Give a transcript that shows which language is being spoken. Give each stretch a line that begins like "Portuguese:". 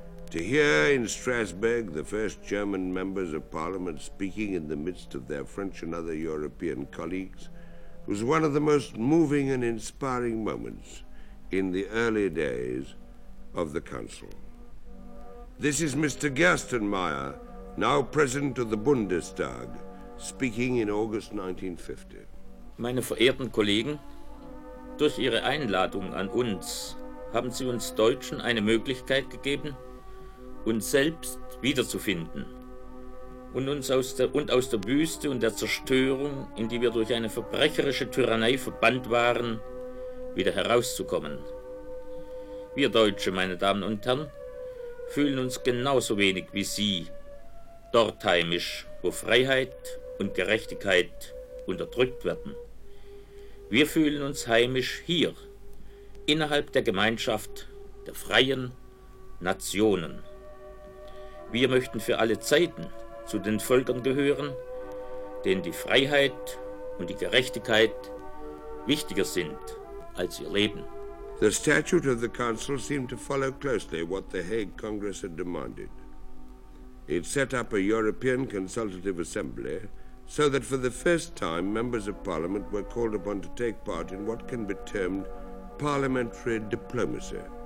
English: To hear in Strasbourg the first German members of Parliament speaking in the midst of their French and other European colleagues was one of the most moving and inspiring moments in the early days of the Council. This is Mr. Gerstenmaier, now President of the Bundestag, speaking in August 1950.
German: Meine verehrten Kollegen, durch Ihre Einladung an uns haben Sie uns Deutschen eine Möglichkeit gegeben, uns selbst wiederzufinden. und aus der Wüste und der Zerstörung, in die wir durch eine verbrecherische Tyrannei verbannt waren, wieder herauszukommen. Wir Deutsche, meine Damen und Herren, fühlen uns genauso wenig wie Sie dort heimisch, wo Freiheit und Gerechtigkeit unterdrückt werden. Wir fühlen uns heimisch hier, innerhalb der Gemeinschaft der freien Nationen. Wir möchten für alle Zeiten zu den Völkern gehören, denen die Freiheit und die Gerechtigkeit wichtiger sind als ihr Leben.
English: The statute of the council seemed to follow closely what the Hague Congress had demanded. It set up a European consultative assembly so that for the first time members of parliament were called upon to take part in what can be termed parliamentary diplomacy.